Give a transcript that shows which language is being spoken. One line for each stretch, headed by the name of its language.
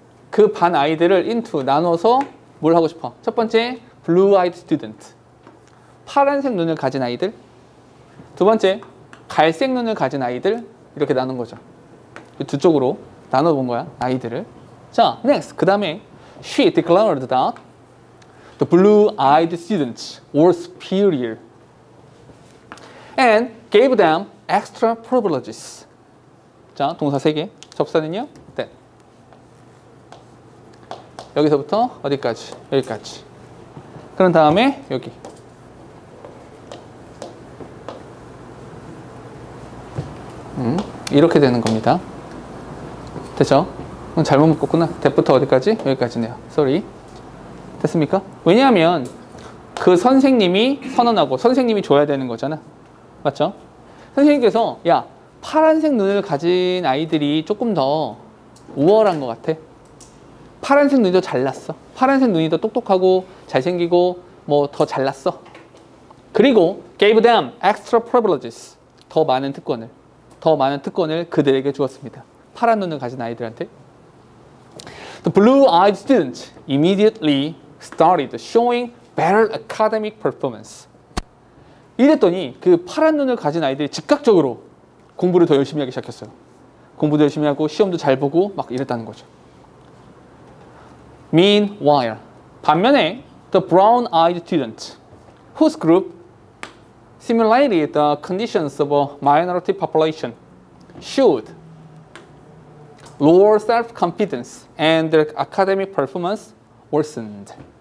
Korean: 그 반 아이들을 into, 나눠서 뭘 하고 싶어? 첫 번째, blue-eyed student. 파란색 눈을 가진 아이들. 두 번째, 갈색 눈을 가진 아이들. 이렇게 나눈 거죠. 두 쪽으로 나눠본 거야, 아이들을. 자, next.
English: 그 다음에 she declared that the blue-eyed students were superior and gave them extra privileges.
Korean: 자, 동사 세 개. 접사는요? 네. 여기서부터 어디까지? 여기까지. 그런 다음에 여기. 이렇게 되는 겁니다. 됐죠? 잘못 묶었구나. 대부터 어디까지? 여기까지네요. Sorry. 됐습니까? 왜냐하면 그 선생님이 선언하고 선생님이 줘야 되는 거잖아. 맞죠? 선생님께서 야, 파란색 눈을 가진 아이들이 조금 더 우월한 것 같아. 파란색 눈이 더 잘났어. 파란색 눈이 더 똑똑하고 잘생기고 뭐 더 잘났어. 그리고
English: gave them extra privileges.
Korean: 더 많은 특권을. 더 많은 특권을 그들에게 주었습니다. 파란 눈을 가진 아이들한테.
English: The blue-eyed students immediately started showing better academic performance.
Korean: 이랬더니 그 파란 눈을 가진 아이들이 즉각적으로 공부를 더 열심히 하기 시작했어요. 공부도 열심히 하고 시험도 잘 보고 막 이랬다는 거죠.
English: Meanwhile,
Korean: 반면에
English: the brown-eyed students whose group similarly the conditions of a minority population should lower self-confidence and their academic performance worsened.